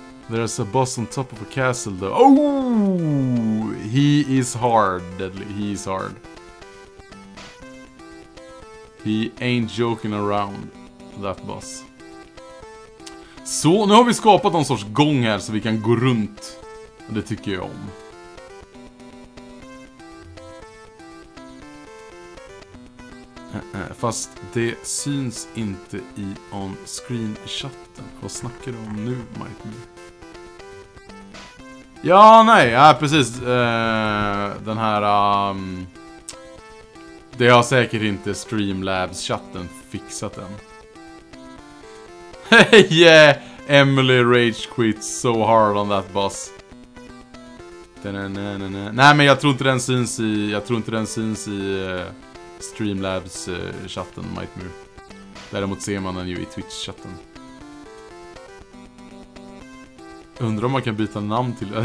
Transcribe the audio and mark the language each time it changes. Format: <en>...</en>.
<en>There's a boss on top of a castle, though. Oh! He is hard, Deadly. He is hard. He ain't joking around, that boss.</en> <sv>Så, nu har vi skapat någon sorts gång här så vi kan gå runt. Det tycker jag om. Fast det syns inte i on-screen-chatten. Vad snackar du om nu, Mike? Ja, nej, ja, precis. Den här... det har säkert inte Streamlabs-chatten fixat än. Hej, yeah!</sv> <en>Emily rage quit so hard on that boss.</en> <sv>Nej, men jag tror inte den syns i... Jag tror inte den syns i Streamlabs-chatten, Mightmare. Däremot ser man den ju i Twitch-chatten. Undrar om man kan byta namn till...</sv>